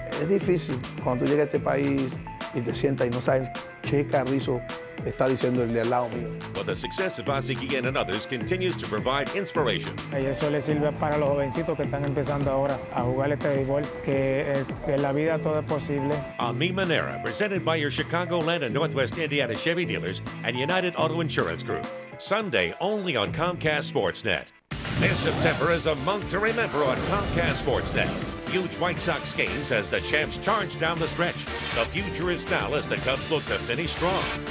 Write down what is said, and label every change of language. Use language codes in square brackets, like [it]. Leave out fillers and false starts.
[es] Es difícil cuando llega a este país y te sientas y no sabes qué carrizo está diciendo el de al lado mío. [en] But the success of Ozzie Guillen and others continues to provide inspiration. [es] Y eso le sirve para los jovencitos que están empezando ahora a jugar este béisbol, que en la vida todo es posible. [en] A Mi Manera, presented by your Chicagoland and Northwest Indiana Chevy dealers and United Auto Insurance Group. Sunday only on Comcast Sportsnet. This September is a month to remember on Comcast Sportsnet. Huge White Sox games as the champs charge down the stretch. The future is now as the Cubs look to finish strong.